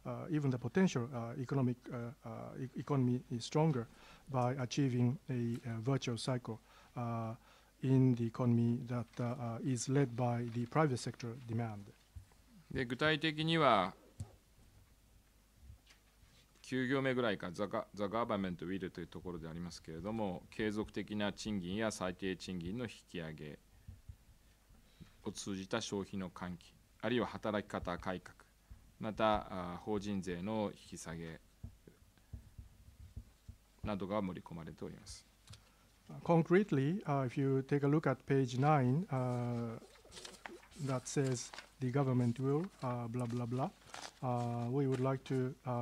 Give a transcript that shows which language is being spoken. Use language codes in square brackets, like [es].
[en] even the potential economic economy is stronger by achieving a virtuous cycle in the economy that is led by the private sector demand. [ja] で具体的には9行目ぐらいから [en] The government will [ja] というところでありますけれども、継続的な賃金や最低賃金の引き上げを通じた消費の喚起、あるいは働き方改革、また法人税の引き下げなどが盛り込まれております。 [en] Concretely, if you take a look at page 9 that says the government will blah blah blah, we would like to